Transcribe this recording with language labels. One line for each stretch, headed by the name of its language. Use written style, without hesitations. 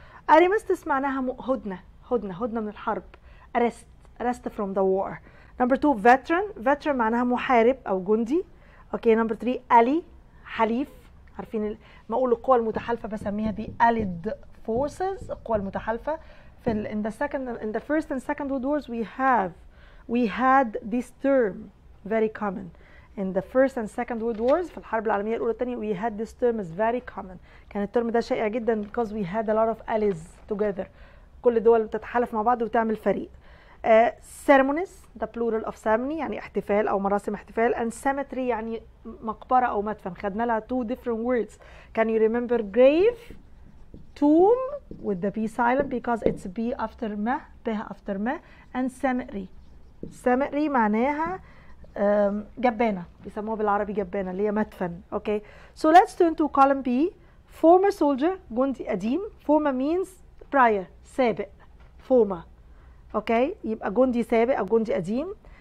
Arabic: Armistice معناها هدنة, هدنة, هدنة من الحرب.
English: Arrest, arrest from the war. Number two, veteran.
Arabic: Veteran معناها محارب أو جندي.
English: Okay, number three, ally,
Arabic: حليف. عارفين ما أقول القوى المتحالفة بسميها
English: the allied forces,
Arabic: القوى المتحالفة.
English: In the first and second world wars, we had this term very common. In the first and second world wars,
Arabic: في الحرب العالمية الأولى والثانية,
English: we had this term is very common.
Arabic: كان الترم ده شائع جدا
English: because we had a lot of allies together.
Arabic: كل دول بتتحالف مع بعض وتعمل فريق.
English: Ceremonies, the plural of ceremony,
Arabic: يعني احتفال أو مراسم احتفال.
English: And cemetery,
Arabic: يعني مقبرة أو مدفن. خدنا لها
English: two different words. Can you remember grave? Tomb, with the B silent, because it's B after ما, B after ما. And cemetery. Cemetery معناها
Arabic: جبانة. بيسموها بالعربي جبانة, اللي هي مدفن.
English: Okay. So let's turn to column B. Former soldier,
Arabic: جندي قديم.
English: Former means prior,
Arabic: سابق.
English: Former.
Arabic: اوكي يبقى جندي سابق او جندي قديم.